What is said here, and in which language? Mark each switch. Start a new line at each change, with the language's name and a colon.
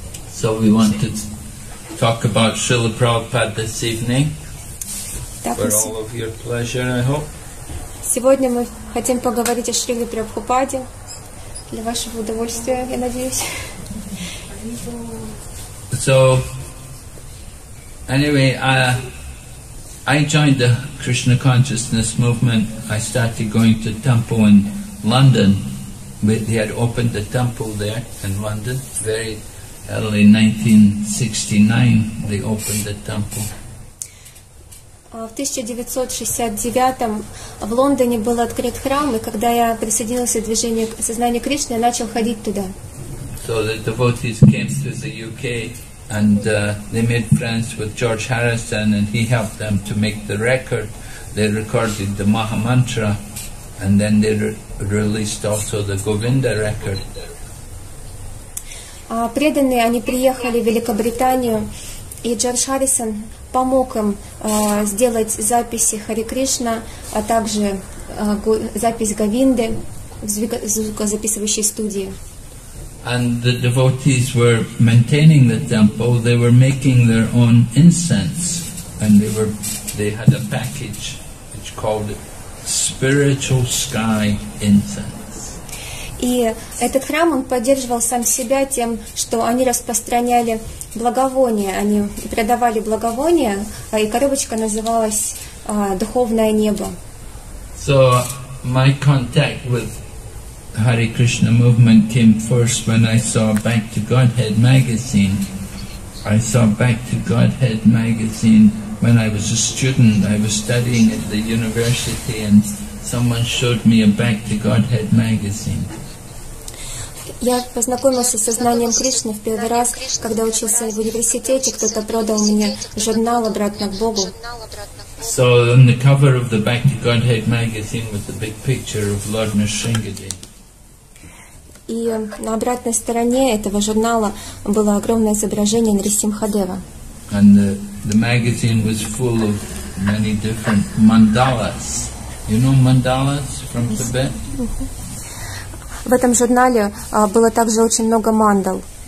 English: So we wanted to talk about Srila Prabhupada this evening for all of your pleasure, I hope.
Russian: Сегодня мы хотим поговорить о Шриле Прабхупаде для вашего удовольствия, я надеюсь.
English: So, anyway, I joined the Krishna Consciousness Movement. I started going to temple in London. They had opened the temple there in London, very early 1969, they opened the temple.
Russian: В 1969 в Лондоне был открыт храм, и когда я присоединился к движению сознания Кришны, я начал ходить туда.
English: So the devotees came to the UK, and they made friends with George Harrison, and he helped them to make the record. They recorded the Maha Mantra, and then they released also the Govinda record.
Russian: Преданные, они приехали в Великобританию, и Джордж Харрисон помог им сделать записи Хари Кришна, а также запись Говинды в звукозаписывающей студии.
English: And the devotees were maintaining the temple, they were making their own incense, and they had a package which called Spiritual Sky Incense.
Russian: И этот храм, он поддерживал сам себя тем, что они распространяли благовония, они продавали благовония, и коробочка называлась «Духовное небо».
English: So, my contact with Hare Krishna movement came first when I saw Back to Godhead magazine. I saw Back to Godhead magazine when I was a student. I was studying at the university, and someone showed me a Back to Godhead magazine.
Russian: Я познакомился с сознанием Кришны в первый раз, когда учился в университете, кто-то продал мне журнал «Обратно к Богу».
English: So on the cover of the Back to Godhead magazine was the big picture of Lord Narsingadev.
Russian: и на обратной стороне этого журнала было огромное изображение Нарисимхадева.
English: And the magazine was full of many different mandalas. You know mandalas from Tibet?
Russian: В этом журнале было также очень много мандал.